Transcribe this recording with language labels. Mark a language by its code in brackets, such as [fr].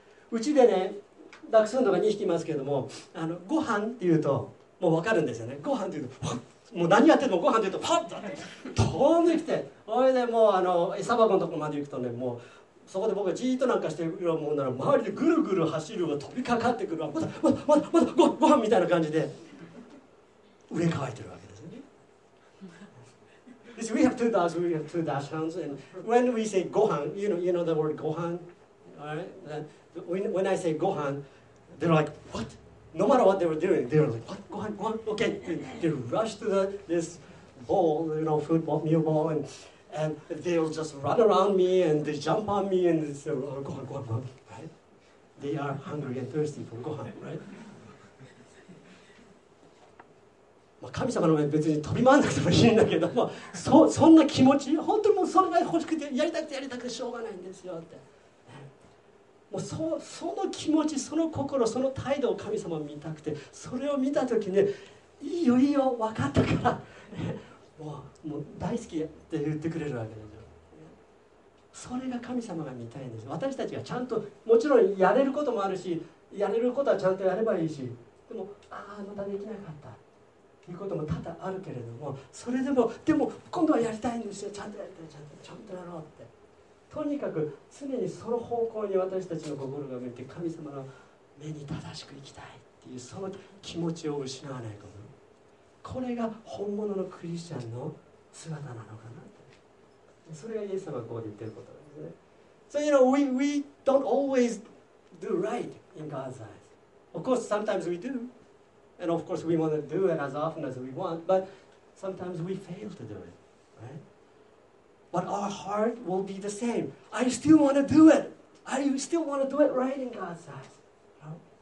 [ja] うちでね、ダクソンドが2匹いますけれども、ご飯っていうと、もう分かるんですよね。ご飯っていうと、もう何やってもご飯っていうと、パッと飛んできて、それでもう餌箱のところまで行くとね、もうそこで僕がじーっとなんかしてるもんなら周りでぐるぐる走るが飛びかかってくるわ、まだご飯みたいな感じで上乾いてるわけですよね。 [en] We have two dogs, we have two dash hounds, and when we say ご飯, you know the word ご飯, alright? When I say ご飯, they're like, what? No matter what they were doing, they were like, what? ご飯, ご飯, okay. They rush to this bowl, you know, food bowl, meal bowl, and they'll just run around me and they jump on me and say, oh, gohan, gohan, gohan, right? They are hungry and thirsty for gohan, right? [ja] まあ神様の前別に飛び回らなくてもいいんだけども、そんな気持ち、本当にもうそれが欲しくて、やりたくてやりたくてしょうがないんですよって。もうその気持ち、その心、その態度を神様見たくて、それを見たときに、いいよいいよ、分かったから。もう大好きって言ってくれるわけですよ。それが神様が見たいんです。私たちがちゃんと、もちろんやれることもあるし、やれることはちゃんとやればいいし、でも、ああ、またできなかったということも多々あるけれども、それでも、でも今度はやりたいんですよ、ちゃんとやりたい、ちゃんとやろうって。とにかく常にその方向に私たちの心が向いて、神様の目に正しく生きたいっていう、その気持ちを失わないこと。これが本物のクリスチャンの姿なのかな。それがイエス様がこう言ってることですね。 [en] So you know, we don't always do right in God's eyes. Of course, sometimes we do. And of course, we want to do it as often as we want. But sometimes we fail to do it. Right? But our heart will be the same. I still want to do it. I still want to do it right in God's eyes.